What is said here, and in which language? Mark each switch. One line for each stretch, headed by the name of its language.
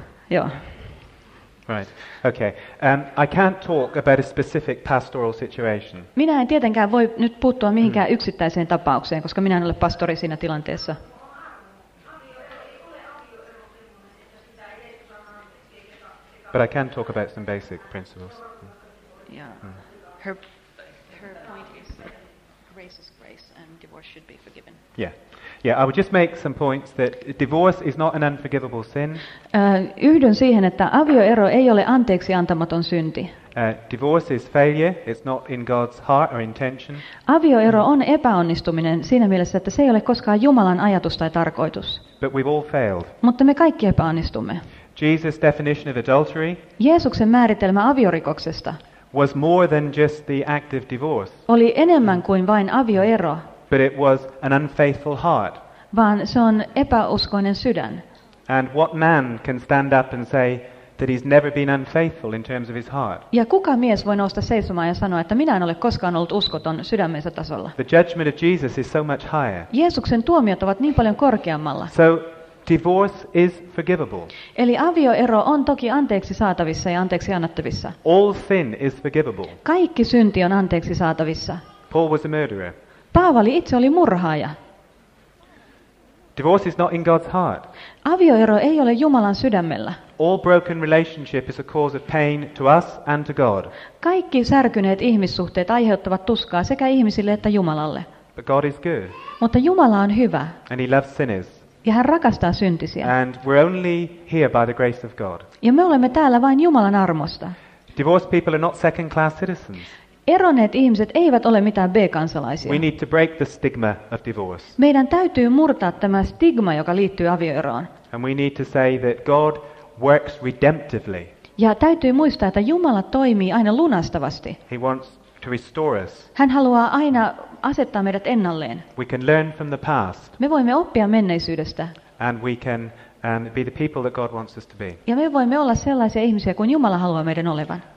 Finnish: Joo.
English: Right. Okay. I can't talk about a specific pastoral situation.
Finnish: Minä en tietenkään voi nyt puuttua mihinkään yksittäiseen tapaukseen, koska minä en ole pastori siinä tilanteessa.
English: But I can talk about some basic principles. Yeah. Mm. Her point is that grace is grace and divorce should be forgiven. Yeah. Yeah, I would just make some points that divorce is not an unforgivable sin.
Finnish: Yhdyn siihen, että avioero ei ole anteeksi antamaton synti.
English: Divorce is failure. It's not in God's heart or intention.
Finnish: Avioero on epäonnistuminen siinä mielessä, että se ei ole koskaan Jumalan ajatus tai tarkoitus.
English: But we've all failed.
Finnish: Mutta me kaikki epäonnistumme.
English: Jesus' definition of adultery.
Finnish: Jeesuksen määritelmä aviorikoksesta.
English: Was more than just the act of divorce.
Finnish: Oli enemmän kuin vain avioero.
English: But it was an unfaithful heart.
Finnish: Vaan se on epäuskoinen sydän.
English: And what man can stand up and say that he's never been unfaithful in terms of his heart?
Finnish: Ja kuka mies voi nousta seisomaan ja sanoa, että minä en ole koskaan ollut uskoton sydämensä tasolla?
English: The judgment of Jesus is so much higher.
Finnish: Jeesuksen tuomiot ovat niin paljon korkeammalla.
English: So divorce is forgivable.
Finnish: Eli avioero on toki anteeksi saatavissa ja anteeksi annettavissa.
English: All sin is forgivable.
Finnish: Kaikki synti on anteeksi saatavissa.
English: Paul was a murderer.
Finnish: Paavali itse oli murhaaja.
English: Divorce is not in God's heart.
Finnish: Avioero ei ole Jumalan sydämellä.
English: All broken relationship is a cause of pain to us and to God.
Finnish: Kaikki särkyneet ihmissuhteet aiheuttavat tuskaa sekä ihmisille että Jumalalle.
English: But God is good.
Finnish: Mutta Jumala on hyvä.
English: And he loves sinners.
Finnish: Ja hän rakastaa syntisiä.
English: And we're only here by the grace of God.
Finnish: Ja me olemme täällä vain Jumalan armosta.
English: Divorced people are not second class citizens.
Finnish: Eroneet ihmiset eivät ole mitään B-kansalaisia.
English: We need to break the stigma of divorce.
Finnish: Meidän täytyy murtaa tämä stigma, joka liittyy avioeroon.
English: And we need to say that God works redemptively.
Finnish: Ja täytyy muistaa, että Jumala toimii aina lunastavasti.
English: He wants to restore us.
Finnish: Hän haluaa aina asettaa meidät ennalleen.
English: We can learn from the past.
Finnish: Me voimme oppia menneisyydestä.
English: And we can be the people that God wants us to be.
Finnish: Ja me voimme olla sellaisia ihmisiä kuin Jumala haluaa meidän olevan.